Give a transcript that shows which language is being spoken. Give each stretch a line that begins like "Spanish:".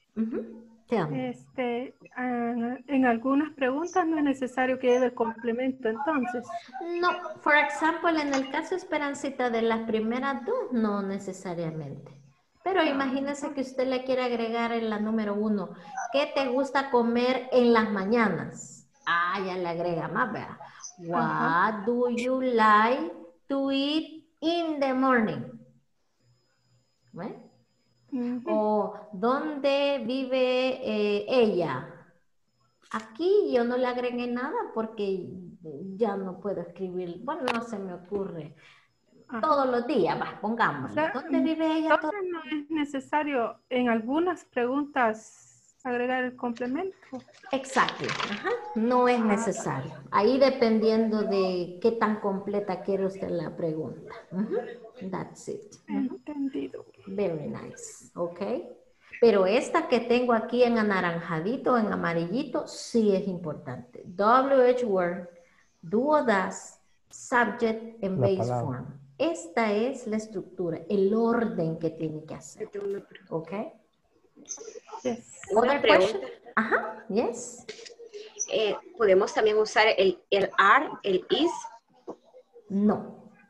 Spanish: En algunas preguntas no es necesario que lleve el complemento, entonces. No.
English: For example,
Spanish: en el caso Esperancita de las primeras dos, no necesariamente. Pero imagínese que usted le quiere agregar en la número uno, ¿qué te gusta comer en las mañanas? Ah, ya le agrega más, ¿verdad?
English: What do you like to eat in the morning?
Spanish: ¿Eh? O ¿dónde vive ella? Aquí yo no le agregué nada porque ya no puedo escribir. Bueno, no se me ocurre. Todos los días, va, pongamos. ¿Dónde vive ella? Entonces no es necesario en algunas preguntas agregar el complemento. Exacto. Ajá. No es necesario. Ahí dependiendo de qué tan completa quiere usted la pregunta.
English: That's it.
Spanish: Entendido.
English: Very nice. Ok.
Spanish: Pero esta que tengo aquí en anaranjadito, en amarillito, sí es importante.
English: WH word, do or does, subject and base form.
Spanish: Esta es la estructura, el orden que tiene que hacer.
English: Ok.
Spanish: Yes. Otra pregunta. Ajá, yes. ¿Podemos también usar el are, el is? No.